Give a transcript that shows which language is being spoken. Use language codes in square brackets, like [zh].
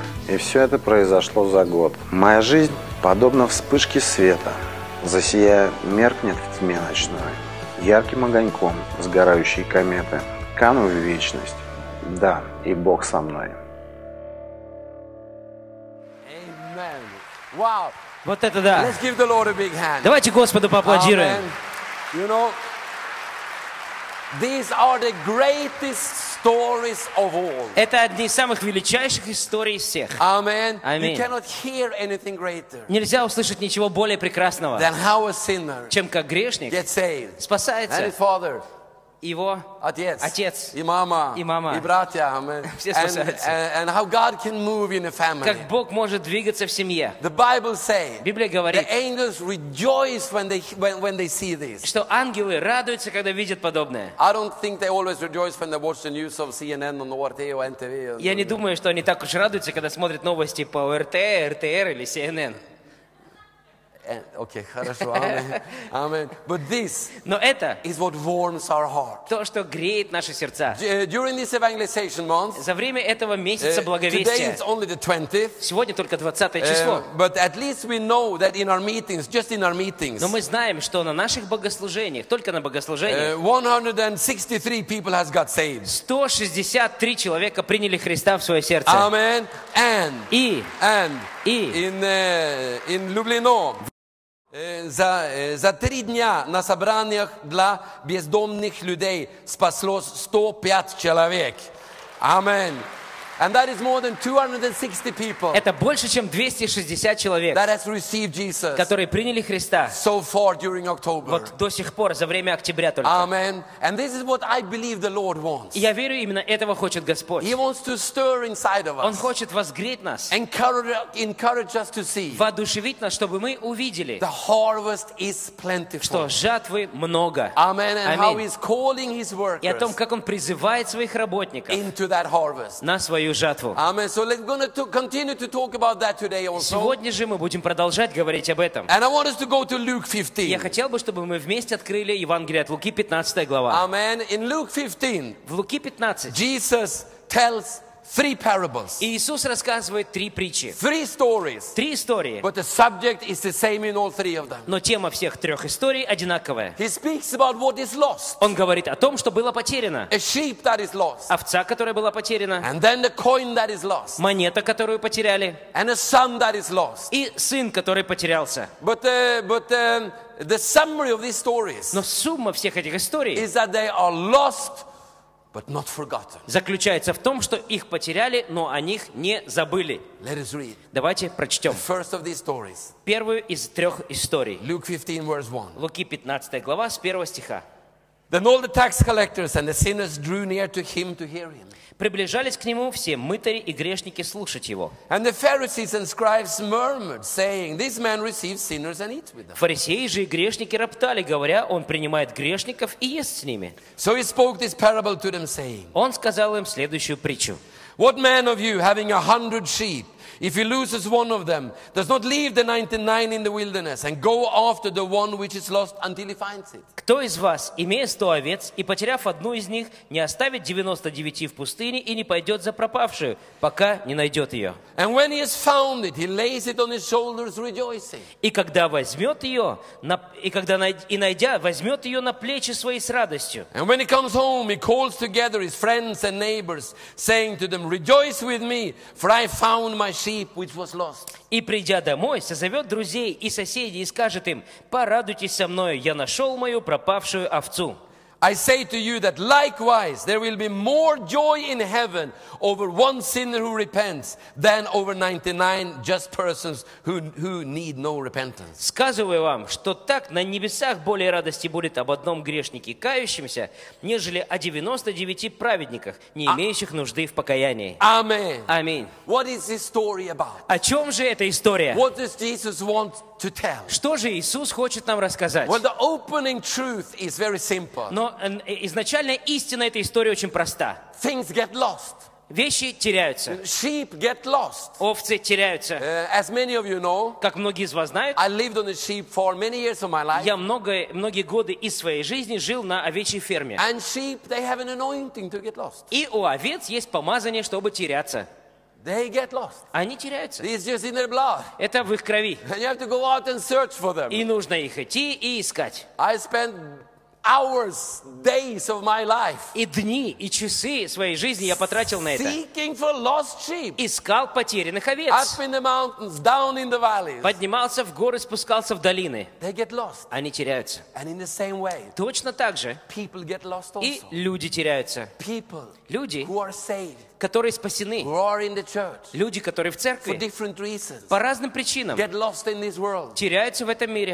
[ru] И все это произошло за год. Моя жизнь подобна вспышке света, засияя, меркнет в тьме ночной, ярким огоньком сгорающей кометы, кану в вечность. Да, и Бог со мной. [en] Amen. Wow. [ru] Вот это да! [en] Let's give the Lord a big hand. [ru] Давайте Господу поаплодируем. [en] You know, these are the greatest stories of all. [ru] Это одни из самых величайших историй из всех. [en] Amen. You cannot hear anything greater. [ru] Нельзя услышать ничего более прекрасного, [en] than how a sinner, [ru] чем как грешник, [en] gets saved. [ru] Спасается. [en] And his father, [ru] его отец, и мама, и братья, amen. Все спасаются. [en] And how God can move in a family. [ru] Как Бог может двигаться в семье. [en] The Bible say, [ru] Библия говорит, [en] the angels rejoice when they see this. [ru] Что ангелы радуются, когда видят подобное. [en] I don't think they always rejoice when they watch the news of CNN on ORT or NTV. [ru] Я не думаю, что они так уж радуются, когда смотрят новости по ОРТ, РТР или CNN. [en] Okay, [ru] хорошо. [en] Amen. But this [ru] Но это [en] is what warms our heart. [ru] То, что греет наши сердца. [en] During this evangelization month, [ru] за время этого месяца благовестия, [en] today it's only the 20th, [ru] сегодня только 20 число. [en] But at least we know that in our meetings, just in our meetings, [ru] но мы знаем, что на наших богослужениях, только на богослужениях, [en] 163 people has got saved. [ru] 163 человека приняли Христа в свое сердце. [en] Amen. And [ru] in Lublino, за три дня на собраниях для бездомных людей спаслось 105 человек. [en] Amen. And that is more than 260 people. [ru] Это больше, чем 260 человек, [en] that has received Jesus, [ru] которые приняли Христа. [en] So far during October. [ru] Вот до сих пор за время октября только. [en] Amen. And this is what I believe the Lord wants. [ru] И я верю, именно этого хочет Господь. [en] He wants to stir inside of us. [ru] Он хочет возгреть нас. [en] Encourage us to see. [ru] Воодушевить нас, чтобы мы увидели. [en] The harvest is plentiful. [ru] Что жатвы много. [en] Amen. And how He's calling His workers. [ru] И о том, как Он призывает своих работников. [en] Into that harvest. [ru] На свой [en] Amen. So let's going to continue to talk about that today also. [ru] Сегодня же мы будем продолжать говорить об этом. [en] And I want us to go to Luke 15. [ru] Я хотел бы, чтобы мы вместе открыли Евангелие от Луки 15 глава. [en] Amen. In Luke 15. [ru] В Луки 15. [en] Jesus tells three parables. [ru] Иисус рассказывает три притчи. [en] Three stories. [ru] Три истории. [en] But the subject is the same in all three of them. [ru] Но тема всех трех историй одинаковая. [en] He speaks about what is lost. [ru] Он говорит о том, что было потеряно. [en] A sheep that is lost. [ru] Овца, которая была потеряна. [en] And then the coin that is lost. [ru] Монета, которую потеряли. [en] And a son that is lost. [ru] И сын, который потерялся. [en] But the summary of these stories. [ru] Но сумма всех этих историй. [en] Is that they are lost. But not forgotten. [ru] Заключается в том, что их потеряли, но о них не забыли. [en] Let us read. [ru] Давайте прочтем. [en] The first of these stories. [ru] Первую из трех историй. [en] Luke 15, verse 1. [ru] Луки 15, глава, с первого стиха. [en] Then all the tax collectors and the sinners drew near to him to hear him. [ru] Приближались к нему все мытари и грешники слушать его. [en] And the Pharisees and scribes murmured, saying, "This man receives sinners and eats with them." [ru] Фарисеи же и грешники роптали, говоря, он принимает грешников и ест с ними. [en] So he spoke this parable to them, saying, [ru] он сказал им следующую притчу. [en] What man of you, having 100 sheep, if he loses one of them, does not leave the 99 in the wilderness and go after the one which is lost until he finds it? [ru] Кто из вас, имея 100 овец и потеряв одну из них, не оставит 99 в пустыне и не пойдет за пропавшую, пока не найдет ее? [en] And when he has found it, he lays it on his shoulders, rejoicing. [ru] И когда возьмет ее, найдя, возьмет ее на плечи свои с радостью. [en] And when he comes home, he calls together his friends and neighbors, saying to them, "Rejoice with me, for I found my sheep which was lost." [ru] И придя домой, созовет друзей и соседей и скажет им: "Порадуйтесь со мною, я нашел мою пропавшую овцу." [en] I say to you that likewise there will be more joy in heaven over one sinner who repents than over 99 just persons who need no repentance. [ru] Сказываю вам, что так на небесах более радости будет об одном грешнике кающемся, нежели о 99 праведниках, не имеющих нужды в покаянии. [en] Amen. Amen. What is this story about? [ru] О чем же эта история? [en] What does Jesus want to tell? [ru] Что же Иисус хочет нам рассказать? [en] Well, the opening truth is very simple. [ru] Но изначальная истина этой истории очень проста. [en] Things get lost. [ru] Вещи теряются. [en] Sheep get lost. [ru] Овцы теряются. [en] As many of you know, [ru] как многие из вас знают, [en] I lived on a sheep for many years of my life. [ru] Я многие годы из своей жизни жил на овечьей ферме. [en] And sheep, they have an anointing to get lost. [ru] И у овец есть помазание, чтобы теряться. [en] They get lost. [ru] Они теряются. [en] It's just in their blood. [ru] Это в их крови. [en] And you have to go out and search for them. [ru] И нужно их идти и искать. [en] I spent hours, days of my life. [ru] И дни, и часы своей жизни я потратил на это. [en] Seeking for lost sheep. [ru] Искал потерянных овец. [en] Up in the mountains, down in the valleys. [ru] Поднимался в горы, спускался в долины. [en] They get lost. [ru] Они теряются. [en] And in the same way. [ru] Точно так же. [en] People get lost also. [ru] И люди теряются. [en] People. [ru] Люди. [en] Who are saved. [ru] Которые спасены. Люди, которые в церкви. По разным причинам. Теряются в этом мире.